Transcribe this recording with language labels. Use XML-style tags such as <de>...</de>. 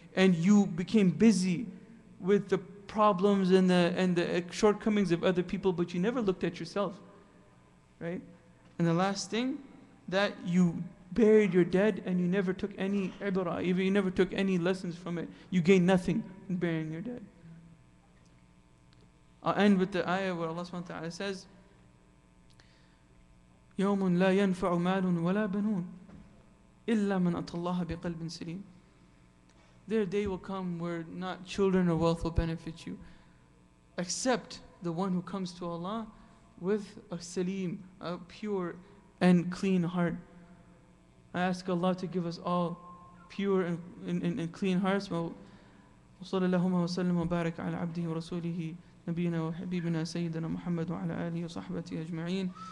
<en>"And you became busy with the problems and the shortcomings of other people, but you never looked at yourself." Right? "And the last thing, that you buried your dead and you never took any ibrah, even you never took any lessons from it. You gained nothing in burying your dead." I'll end with the ayah where Allah subhanahu wa ta'ala says,</en> <ar>يوم لا ينفع مال ولا بنون إلا من أتى الله بقلب سليم.</ar> <en>Their day will come where not children or wealth will benefit you, except the one who comes to Allah with a salim, a pure and clean heart. I ask Allah to give us all pure and clean hearts.</en> <ar>وصلى اللهم وسلم وبارك على عبده ورسوله نبينا وحبيبنا سيدنا محمد وعلى آله وصحبه أجمعين.</ar>